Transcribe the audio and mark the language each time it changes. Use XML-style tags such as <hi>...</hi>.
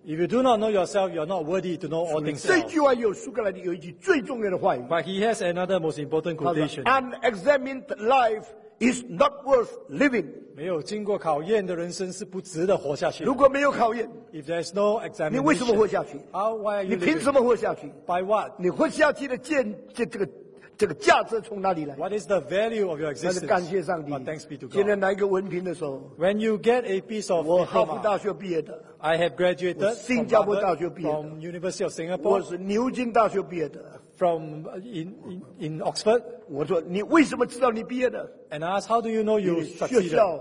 <en>If you do not know yourself, you are not worthy to know all things.</en> <zh>这句话有苏格兰有一句最重要的话语。</zh> <en>But he has another most important quotation. Unexamined life is not worth living.</en> <zh>没有经过考验的人生是不值得活下去的。如果没有考验,</zh> <en>if there is no examination,</en> <zh>你为什么活下去?</zh> <en>How, why are you</en> <zh>你凭什么活下去?</zh> <en>By what?</en> <zh>你活下去的见这个 这个价值从哪里来?</zh> <en>What is the value of your existence?</en> <zh>那是感谢上帝,</zh> <en>but thanks be to God.</en> <zh>现在拿一个文凭的时候,</zh> <en>when you get a piece of diploma,</en> <zh>我哈佛大学毕业的,</zh> <en>I have graduated</en> <zh>新加坡大学毕业的,</zh> <en>from University of Singapore,</en> <zh>我是牛津大学毕业的,</zh> <en>from in Oxford.</en> <zh>我说你为什么知道你毕业的?</zh> <en>And I asked, how do you know you succeeded?</en>